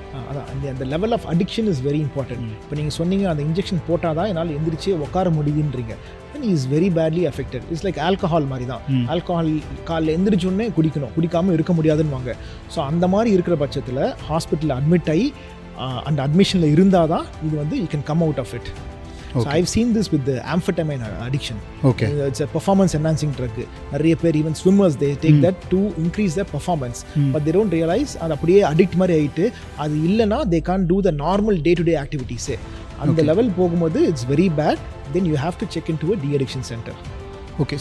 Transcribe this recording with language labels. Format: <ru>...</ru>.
<ta>அதான் அந்த</ta> <en>Level of addiction is very important.</en> <ta>இப்போ நீங்கள் சொன்னீங்க அந்த இன்ஜெக்ஷன் போட்டாதான் என்னால் எந்திரிச்சே உட்கார முடியுன்றீங்க,</ta> <en>Then is very badly affected. It's like</en> <ta>alcohol மாதிரி தான், ஆல்கஹால் காலில் எந்திரிச்சோன்னே குடிக்கணும், குடிக்காமல் இருக்க முடியாதுன்னு வாங்க. ஸோ அந்த மாதிரி இருக்கிற பட்சத்தில் ஹாஸ்பிட்டலில் அட்மிட் ஆகி அந்த அட்மிஷனில் இருந்தால் தான் இது வந்து</ta> <en>You can come out of it. Okay. So I've seen this with the amphetamine addiction. Okay. It's a performance enhancing drug.</en> <ta>நிறைய பேர்</ta> <en>even swimmers they take that to increase the performance, but they don't realize</en> <ta>அது அப்படியே addict மாதிரி ஆகிட்டு அது இல்லைனா</ta> <en>They can't do the normal day to day ஆக்டிவிட்டீஸே.</en> <ta>அந்த level போகும்போது</ta> <en>It's very bad, then you have to check in to a de addiction centre. Okay.</en>